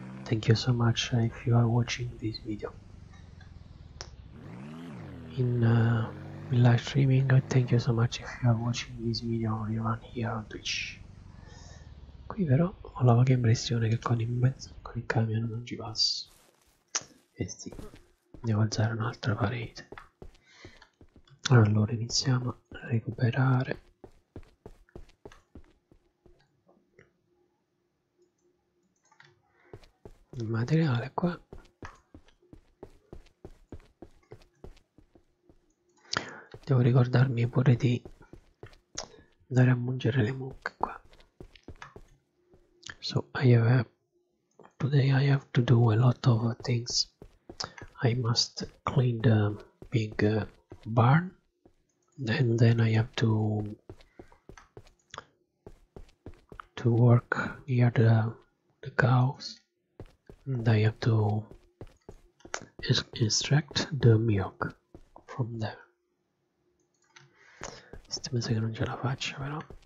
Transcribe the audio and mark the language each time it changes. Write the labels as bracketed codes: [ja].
[en] Thank you so much if you are watching this video. In live streaming, thank you so much if you are watching this video or you are here on Twitch. [it] Qui però ho la vaga impressione che con il mezzo, con il camion non ci passo. Eh sì, devo alzare un'altra parete. Allora iniziamo a recuperare. Il materiale qua. Devo ricordarmi pure di andare a mungere le mucche qua. [en] So today I have to do a lot of things. I must clean the big barn, and then I have to work near the cows. And I have to extract the milk from there. [it] Questo mi sa che non ce la faccio, però.